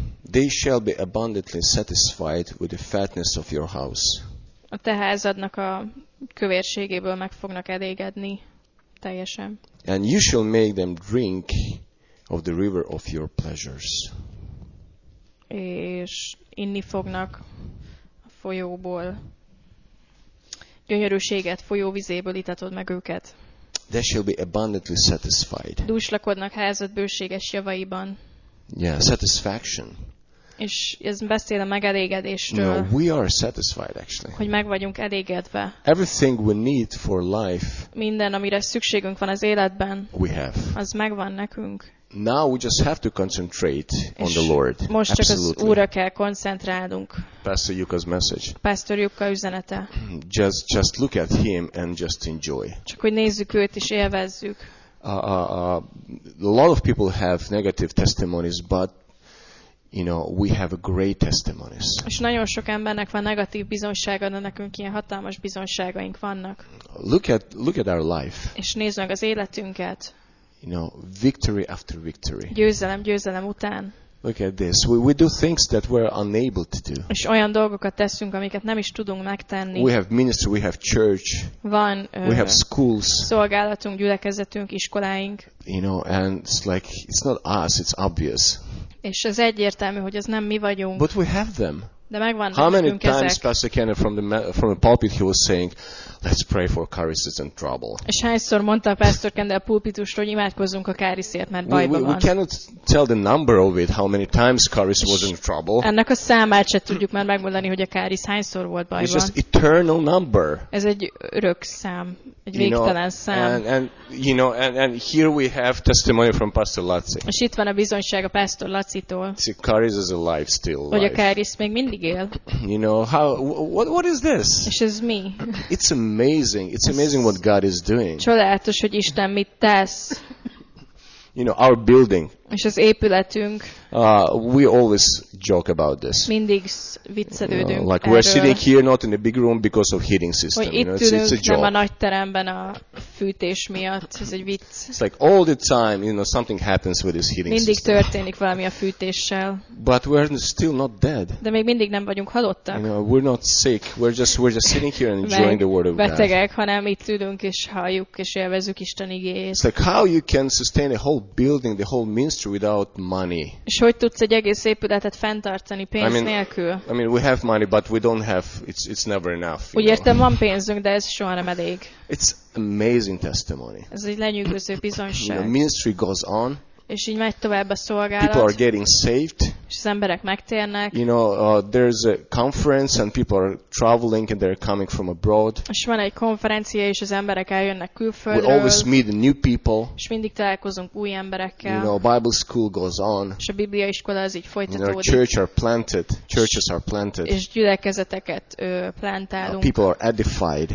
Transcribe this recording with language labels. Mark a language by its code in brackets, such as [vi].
[en] They shall be abundantly satisfied with the fatness of your house. [hu] A te házadnak a kövérségéből meg fognak elégedni teljesen. [en] And you shall make them drink of the river of your pleasures. [hu] És inni fognak a folyóból. Gyönyörűséget folyóvizéből itatod meg őket. [en] They shall be abundantly satisfied. [hu] Dúslakodnak házad bőséges javaiban. [en] Yeah, satisfaction. [hu] És ez beszél a megelégedésről. [en] No, we are satisfied actually. [hu] Hogy meg vagyunk elégedve. [en] Everything we need for life. [hu] Minden, amire szükségünk van az életben. [en] We have. [hu] Az megvan nekünk. [en] Now we just have to concentrate on the Lord. [hu] Most csak [en] absolutely. [hu] Az Úrra kell koncentrálnunk. [en] Pastor Yuka's message. [hu] Pastor Yuka üzenete. [en] Just look at him and just enjoy. [hu] Csak hogy nézzük őt és élvezzük. [en] A lot of people have negative testimonies, but you know, we have a great testimonies. [hu] És nagyon sok embernek van negatív bizonysága, de nekünk ilyen hatalmas bizonyságaink vannak. [en] Look at our life. [hu] És nézd meg az életünket. [en] You know, victory after victory. [hu] Győzelem, győzelem után. [en] Look at this. We do things that we're unable to do. [hu] És olyan dolgokat teszünk, amiket nem is tudunk megtenni. [en] We have ministry, we have church. [hu] Van. [en] We have schools. [hu] Szolgálatunk, gyülekezetünk, iskoláink. [en] You know, and it's like it's not us, it's obvious. [hu] És ez egyértelmű, hogy ez nem mi vagyunk. [en] But we have them. [hu] De megvan nekünk. [en] How many times Pastor Kenneth from the pulpit he was saying, let's pray for carices and trouble. [hu] És hányszor mondta a Pastor Kenneth a pulpitusról, hogy imádkozzunk a káriszért, mert bajban van. [en] We cannot tell the number of it, how many times caris was in trouble. [hu] Ennek a számát se tudjuk már megmondani, hogy a káris hányszor volt bajban. [en] It's just eternal number. [hu] Ez egy örök szám, egy végtelen szám. [en] And here we have testimony from Pastor Laci. [hu] És itt van a bizonyság a Pastor Laci-tól. [en] See, caris is alive still. [hu] Hogy a káris még mindig. [en] You know how what is this? [hu] És ez mi? [en] It's amazing. It's amazing what God is doing. [hu] Csodálatos, hogy Isten mit tesz. [en] You know, our building. [hu] És az épületünk. [en] We always joke about this. [hu] Mindig viccelődünk. [en] You know, like [hu] erről. [en] We're sitting here not in a big room because of heating system. [hu] Hogy itt [en] you know, it's a joke. [hu] Nem a nagy teremben a fűtés miatt. Ez egy vicc. [en] It's like all the time, you know, something happens with this heating [hu] mindig [en] system. [hu] Mindig történik valami a fűtéssel. [en] But we're still not dead. De még mindig nem vagyunk halottak. You know, we're not sick. We're just sitting here and enjoying the word of [hu] betegek, [en] God. [hu] Betegek, hanem itt ülünk és halljuk és élvezzük Isten igéjét. [en] It's like how you can sustain a whole building, the whole ministry ministry without money. [hu] És hogy tudsz egy egész épületet fenntartani pénz nélkül? [en] I mean, we have money, but we don't have. It's never enough. [hu] Úgy értem, van pénzünk, de ez soha nem elég. [en] It's amazing testimony. [hu] Ez egy lenyűgöző bizonyság. [en] The ministry goes on. [hu] És így megy tovább a szolgálat. [en] People are getting saved. [hu] És az emberek megtérnek. [en] You know, there's a conference and people are traveling and they're coming from abroad. [hu] És van egy konferencia és az emberek eljönnek külföldről. [en] We always meet new people. [hu] És mindig találkozunk új emberekkel. [en] You know, Bible school goes on. [hu] És a Biblia iskola az így folytatódik. [en] Our church are planted. Churches are planted. [hu] És gyülekezeteket plantálunk. [en] People are edified.